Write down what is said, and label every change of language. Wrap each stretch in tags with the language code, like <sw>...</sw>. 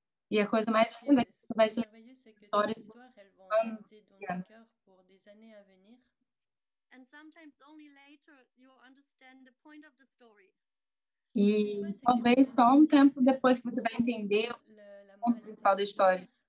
<pt>E a coisa mais linda é que você vai ter histórias por anos a venir.</pt> <en>E sometimes only later you understand the point of the story.</en> <pt>E talvez só um tempo depois que você vai entender o ponto principal da história.</pt>